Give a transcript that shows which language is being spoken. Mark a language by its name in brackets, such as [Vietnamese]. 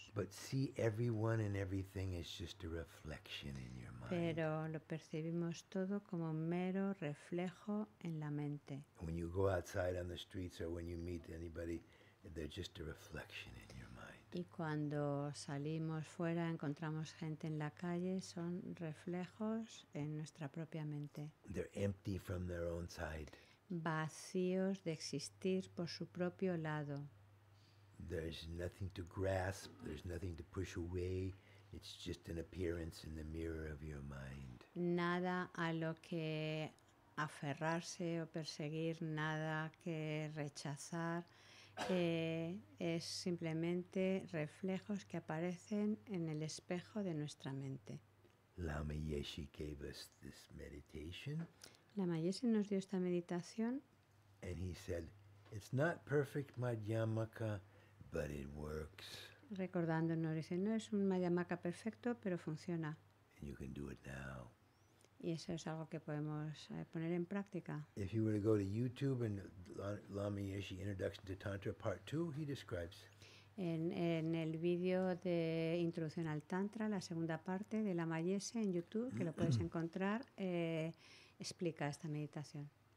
[English] But see everyone and everything is just a reflection in your mind. [Spanish] Pero lo percibimos todo como mero reflejo en la mente. [English] When you go outside on the streets or when you meet anybody, they're just a reflection in your mind. [Spanish] Y cuando salimos fuera, encontramos gente en la calle, son reflejos en nuestra propia mente. [English] They're empty from their own side. [Spanish] Vacíos de existir por su propio lado. [English] There's nothing to grasp, there's nothing to push away. It's just an appearance in the mirror of your mind. [Spanish] Nada a lo que aferrarse o perseguir, nada que rechazar. Es simplemente reflejos que aparecen en el espejo de nuestra mente. [English] Lama Yeshe gave us this meditation. [Spanish] Lama Yeshe nos dio esta meditación. [English] And he said, it's not perfect Madhyamaka, but it works. [Spanish] Recordándonos, dice, no es un Madhyamaka perfecto, pero funciona. [English] And you can do it now. [Spanish] Y eso es algo que podemos poner en práctica. [English] If you were to go to YouTube and Lama Yeshe Introduction to Tantra Part 2, he describes. [Spanish] En el vídeo de Introducción al Tantra, la segunda parte de Lama Yeshe en YouTube, que lo puedes encontrar, explica esta meditación.